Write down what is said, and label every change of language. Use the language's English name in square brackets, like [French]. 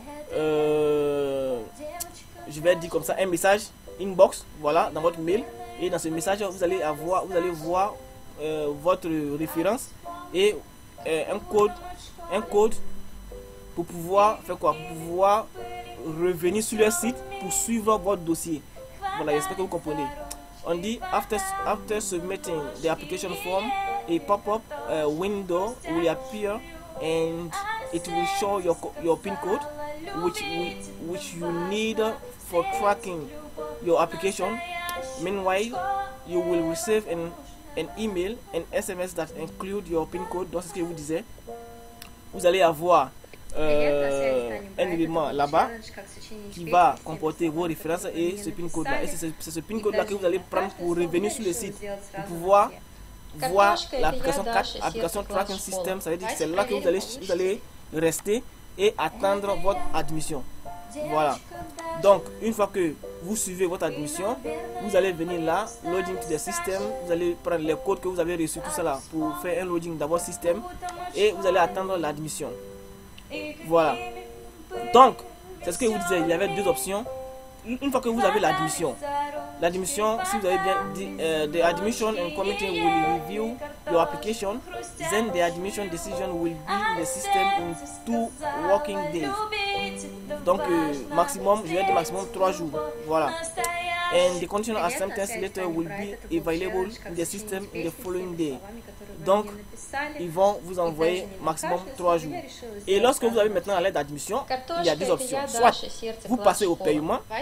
[French] Je vais dire comme ça un message inbox. Voilà, dans votre mail. Et dans ce message, vous allez voir. Votre référence et un code pour pouvoir faire quoi, pour pouvoir revenir sur le site pour suivre votre dossier. Voilà, j'espère que vous comprenez. On dit [English] after submitting the application form, a pop-up window will appear and it will show your PIN code which you need for tracking your application. Meanwhile, you will receive an email, an SMS that include your PIN code. [French] Donc, c'est ce que je vous disais. Vous allez avoir un élément là-bas qui va comporter vos références et ce PIN code-là. Et c'est ce PIN code-là que vous allez prendre pour revenir sur le site pour pouvoir voir l'application 4, application tracking system. Ça veut dire que c'est là que vous allez rester et attendre votre admission. Voilà. Donc, une fois que vous suivez votre admission, vous allez venir là, [English] login to the system, [French] vous allez prendre les codes que vous avez reçus, tout ça là, pour faire un login dans votre système, et vous allez attendre l'admission. Voilà. Donc, c'est ce que je vous disais, il y avait deux options. Une fois que vous avez l'admission, si vous avez bien dit, [English] the admission and committee will review your application, then the admission decision will be in the system in 2 working days. [French] Donc, maximum, je vais dire maximum 3 jours. Voilà. [English] And the conditional acceptance letter will be available in the system in the following day. [French] Donc, ils vont vous envoyer maximum 3 jours. Et lorsque vous avez maintenant la lettre d'admission, il y a deux options. Soit vous passez au paiement.